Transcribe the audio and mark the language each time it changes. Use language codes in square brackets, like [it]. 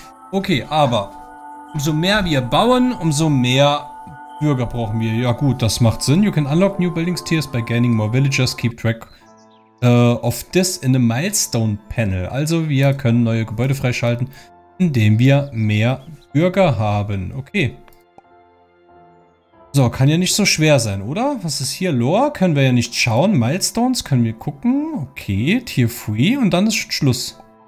[de] Okay, aber umso mehr wir bauen, umso mehr Bürger brauchen wir. Ja gut, das macht Sinn. [en] You can unlock new buildings tiers by gaining more villagers. Keep track of this in a milestone panel. [de] Also wir können neue Gebäude freischalten, indem wir mehr Bürger haben. Okay. So, kann ja nicht so schwer sein, oder? Was ist hier? Lore? Können wir ja nicht schauen. Milestones? Können wir gucken? Okay, Tier 3 und dann ist Schluss.